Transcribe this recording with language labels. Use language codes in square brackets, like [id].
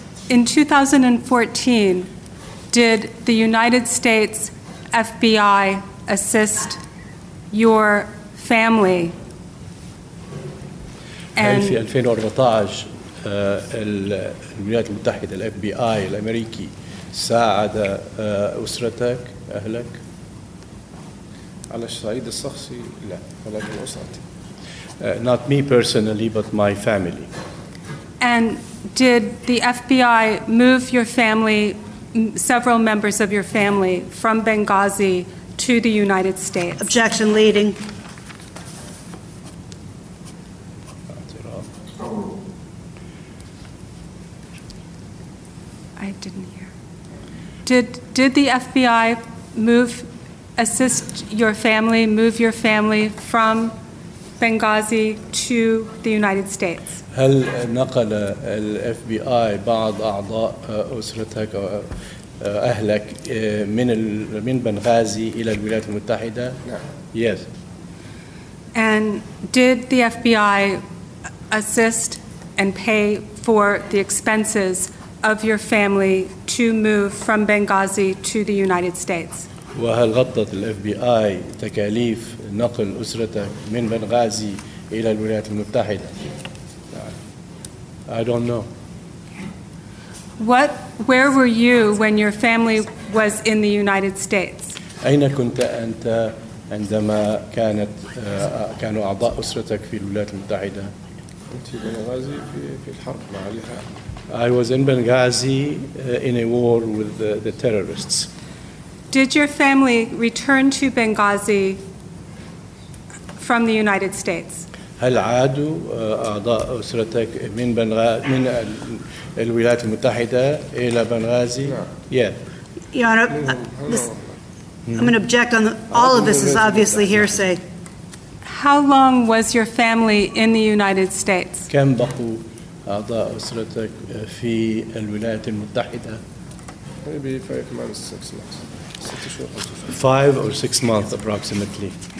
[en] In 2014, did the United States FBI assist your family? [ar] هل في 2014 الولايات المتحدة FBI الأمريكي ساعد أسرتك أهلك؟ على الصعيد الشخصي لا ولكن أسرتي. [en] Not me personally but my family. And did the FBI move your family, several members of your family from Benghazi to the United States? Objection leading. I didn't hear. Did the FBI assist your family, move your family from Benghazi to the United States? [ar] هل نقل ال FBI بعض أعضاء أسرتك أو أهلك من بنغازي إلى الولايات المتحدة؟ نعم. [en] Yes. And did the FBI assist and pay for the expenses of your family to move from Benghazi to the United States? [ar] وهل غطت ال FBI تكاليف نقل أسرتك من بنغازي إلى الولايات المتحدة؟ [en] I don't know. Where were you when your family was in the United States? [ar] أين كنت أنت عندما كانت كانوا أعضاء أسرتك في الولايات المتحدة؟ كنت في بنغازي في الحرب مع الإرهاب. [en] I was in Benghazi in a war with the terrorists. Did your family return to Benghazi from the United States? [ar] هل عادوا أعضاء أسرتك من من الولايات المتحدة إلى بنغازي؟ نعم. [en] Yeah. Your Honor, I'm going to object on all of this is obviously hearsay. How long was your family in the United States? [ar] كم بقوا أعضاء أسرتك في الولايات المتحدة؟ [en] Maybe 5 months, 6 months. 5 or 6 months approximately.